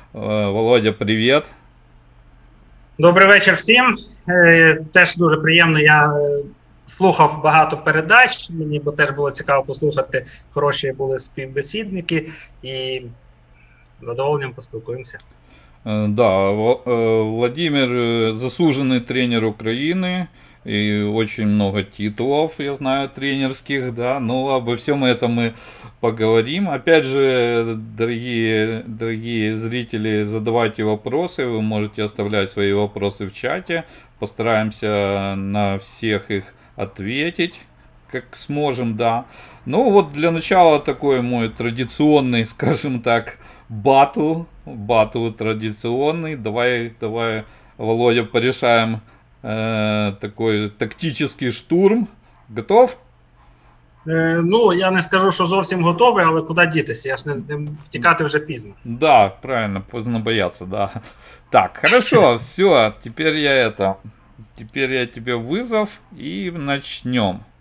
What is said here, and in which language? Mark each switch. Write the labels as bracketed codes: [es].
[ru] Володя, привет. [uk] Добрий вечір всім. Теж дуже приємно. Я слухав багато передач. Мені бо теж було цікаво послухати. Хороші були співбесідники, і задоволенням поспілкуємося. [ru] Да, Владимир заслуженный тренер Украины и очень много титулов, я знаю, тренерских, да, но обо всем этом мы поговорим. Опять же, дорогие зрители, задавайте вопросы, вы можете оставлять свои вопросы в чате, постараемся на всех их ответить, как сможем, да. Ну вот для начала такой мой традиционный, скажем так, батл традиционный. Давай, Володя, порешаем такой тактический штурм. Готов? [uk] Я не скажу, що зовсім готовий, але куди дітися? Я ж не втікати вже пізно. [ru] Да, правильно, поздно бояться, да. Так, хорошо, все, теперь я тебе вызов и начнем.